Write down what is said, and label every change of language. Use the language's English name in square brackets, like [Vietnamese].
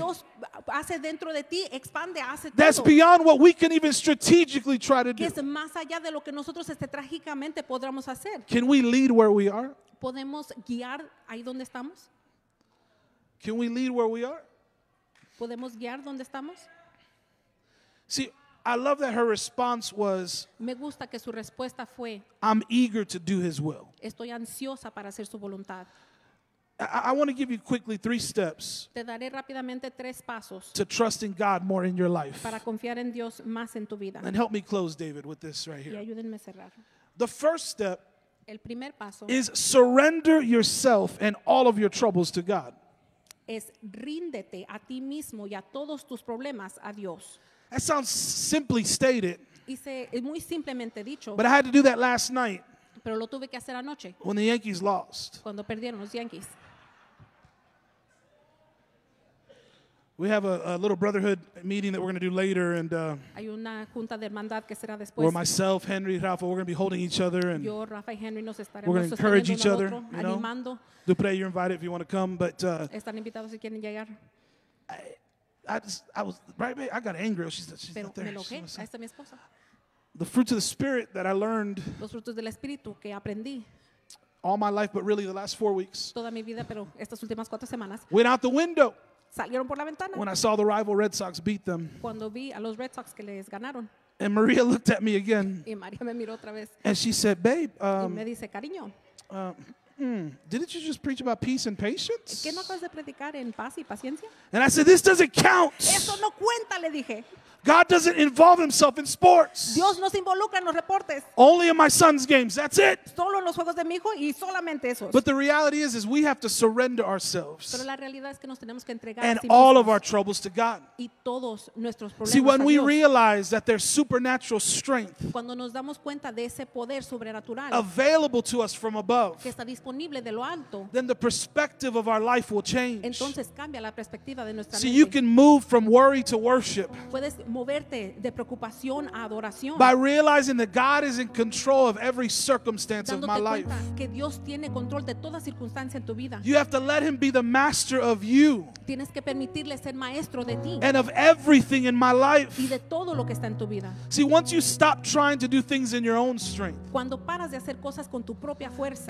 [Spanish] Lo que Dios hace dentro de ti, expande, hace todo. [English] That's beyond what we can even strategically try to do. [Spanish] Que es más allá de lo que nosotros estratégicamente podremos hacer. [English] Can we lead where we are? [Spanish] ¿Podemos guiar ahí donde estamos? [English] Can we lead where we are? [Spanish] ¿Podemos guiar donde estamos? [English] See, I love that her response was, [Spanish] me gusta que su respuesta fue, [English] I'm eager to do his will. [Spanish] Estoy ansiosa para hacer su voluntad. [English] I want to give you quickly three steps [Spanish] te daré rápidamente tres pasos [English] to trust in God more in your life. [Spanish] Para confiar en Dios más en tu vida. [English] And help me close, David, with this right here. [Spanish] Y ayúdenme a cerrar. [English] The first step [Spanish] El primer paso [English] is surrender yourself and all of your troubles to God. [Spanish] Es ríndete a ti mismo y a todos tus problemas a Dios. [English] That sounds simply stated. [Spanish] Y se, es muy simplemente dicho. [English] But I had to do that last night. [Spanish] Pero lo tuve que hacer anoche. [English] When the Yankees lost. [Spanish] Cuando perdieron los Yankees. [English] We have a little brotherhood meeting that we're going to do later, and [Spanish] hay una junta de hermandad que será después. [English] Where myself, Henry, Rafa, we're going to be holding each other, and [Spanish] yo, Rafa y Henry, nos estaremos, [English] we're going to encourage each other. [Spanish] Otro, [English] you know? Dupre, you're invited if you want to come, but [Spanish] están invitados si quieren llegar. [English] I got angry. She's [Spanish] pero [English] not there. [Spanish] Me enojé. Ahí está mi esposa. [English] The fruits of the spirit that I learned. [Spanish] Los frutos del espíritu que aprendí. [English] All my life, but really the last 4 weeks. [Spanish] Toda mi vida, pero estas últimas cuatro semanas. [English] Went out the window. [Spanish] Salieron por la ventana. [English] When I saw the rival Red Sox beat them. [Spanish] Cuando vi a los Red Sox que les ganaron. [English] And Maria looked at me again. [Spanish] Y María me miró otra vez. [English] And she said, "Babe." [Spanish] Y me dice, cariño. [English] Didn't you just preach about peace and patience? [Spanish] ¿Qué no acabas de predicar en paz y paciencia? [English] And I said, "This doesn't count." [Spanish] Eso no cuenta, le dije. [English] God doesn't involve himself in sports. [Spanish] Dios no se involucra en los deportes. [English] Only in my son's games, that's it. [Spanish] Solo en los juegos de mi hijo y solamente esos. [English] But the reality is we have to surrender ourselves. [Spanish] Pero la realidad es que nos tenemos que entregar [English] and all of our troubles to God. [Spanish] Y todos nuestros problemas. [English] See, when a we [Spanish] Dios, [English] realize that there's supernatural strength [Spanish] cuando nos damos cuenta de ese poder sobrenatural [English] available to us from above, [Spanish] que está disponible de lo alto, [English] then the perspective of our life will change. [Spanish] Entonces cambia la perspectiva de nuestra vida. [English] See, you can move from worry to worship. [Spanish] Puedes moverte de preocupación a adoración. [English] By realizing that God is in control of every circumstance of my life. [Spanish] Dándote cuenta que Dios tiene control de toda circunstancia en tu vida. [English] You have to let him be the master of you. [Spanish] Tienes que permitirle ser maestro de ti. [English] And of everything in my life. [Spanish] Y de todo lo que está en tu vida. [English] See, once you stop trying to do things in your own strength. [Spanish] Cuando paras de hacer cosas con tu propia fuerza.